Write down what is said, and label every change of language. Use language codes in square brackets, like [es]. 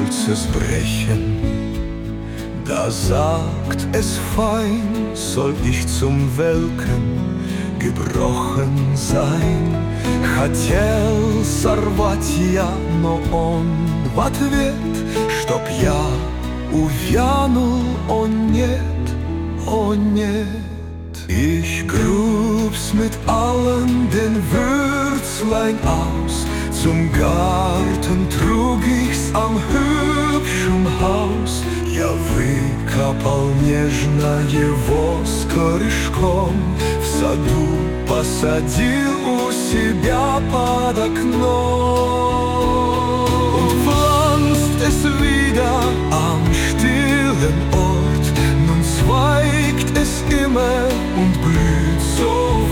[de] Es brechen, da sagt es fein, soll ich zum Welken gebrochen sein. [ru] Хотел сорвать я, но он в ответ, чтоб я увянул, о нет, о нет. [de] Ich grub's mit allen den Würzlein aus, zum Garten trug ich's am hübschen Haus. [ru] Я выкопал нежно его с корешком, в саду посадил у себя под окном. [de] Und pflanzt es wieder am stillen Ort, nun zweigt es immer und blüht so.